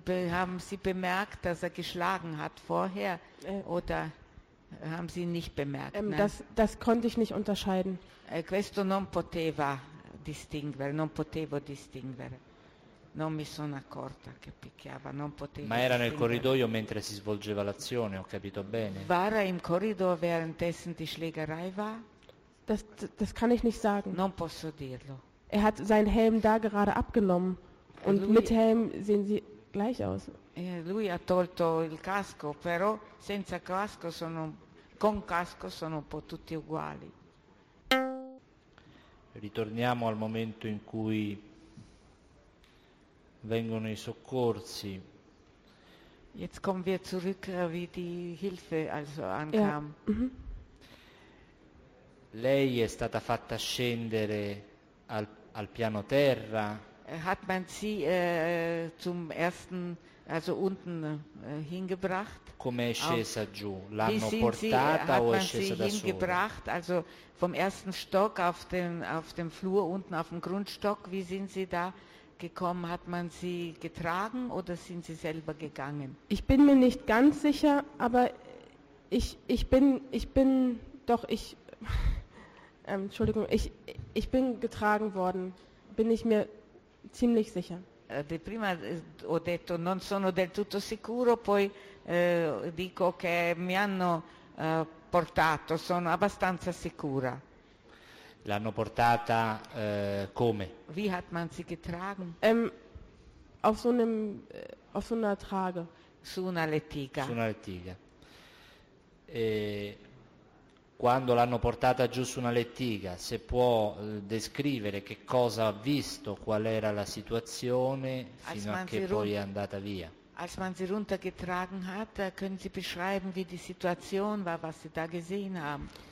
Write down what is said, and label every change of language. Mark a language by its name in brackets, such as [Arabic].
[German] Haben Sie bemerkt, dass er geschlagen hat vorher, oder haben Sie nicht bemerkt? Das konnte ich nicht unterscheiden. [Italian] Questo non poteva distinguere, non potevo distinguere. Non mi sono accorta che picchiava, non potevo. Ma era nel corridoio mentre si svolgeva l'azione, ho capito bene. [German] War er im Korridor währenddessen die Schlägerei war? Das kann ich nicht sagen. [Italian] Non posso dirlo. [German] Er hat seinen Helm da gerade abgenommen. Und lui, mit Helm sehen sie gleich aus. [Italian] Lui ha tolto il casco, però senza casco sono, con casco sono un po' tutti uguali. Ritorniamo al momento in cui vengono i soccorsi. [German] Jetzt kommen wir zurück, wie die Hilfe also ankam. Ja. Mhm. [Italian] Lei è stata fatta scendere al piano terra. [German] Hat man sie zum ersten, also unten hingebracht? [Italian] Come è scesa auf, giù? L'hanno portata [German] sie, [Italian] o è scesa da sola? [German] Hingebracht, also vom ersten Stock auf dem Flur unten auf dem Grundstock, wie sind sie da gekommen? Hat man sie getragen oder sind sie selber gegangen? Ich bin mir nicht ganz sicher, aber ich bin getragen worden, bin ich mir ziemlich sicher. [Italian] Di prima ho detto non sono del tutto sicuro, poi dico che mi hanno portato, sono abbastanza sicura. L'hanno portata come? [German] Wie hat man sie getragen? Auf so einer Trage. [Italian] Su una lettiga. E quando l'hanno portata giù su una lettiga, se può descrivere che cosa ha visto, qual era la situazione fino a che poi è andata via? [German] Als man sie runtergetragen hat, können Sie beschreiben, wie die Situation war, was Sie da gesehen haben?